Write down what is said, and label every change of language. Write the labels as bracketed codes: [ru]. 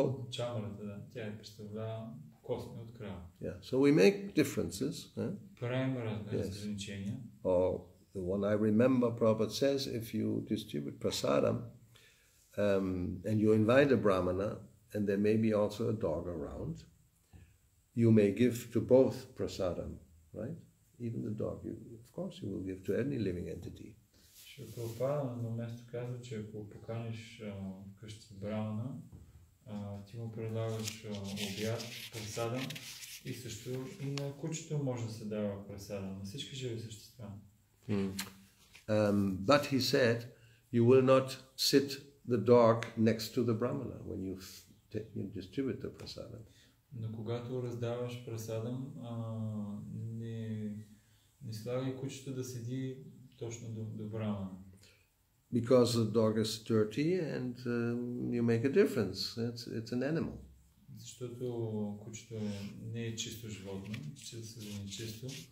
[bg] Чамрата, да. Тя представлява костни от крава. [en] Yeah. So we make differences. [bg] Правим разграничения. [en] Or the one I remember, Prabhupada says, if you distribute prasadam and you invite a brahmana and there may be also a dog around, you may give to both prasadam, right? Even the dog, of course, you will give to any living entity. [bg] Прабхупада на едно място казва, че ако поканиш вкъщи Брауна, ти му предлагаш обяд, пресада и също и на кучето може да се дава пресада на всички живи същества. [en] But he said, you will not sit the dog next to the Brahmana when you distribute the prasadam. [bg] Но когато раздаваш прасадам, не слагай кучето да седи точно до Брамана. [en] Because the dog is dirty and you make a difference. It's an animal. [bg] Защото кучето не е чисто животно, чисто не е чисто.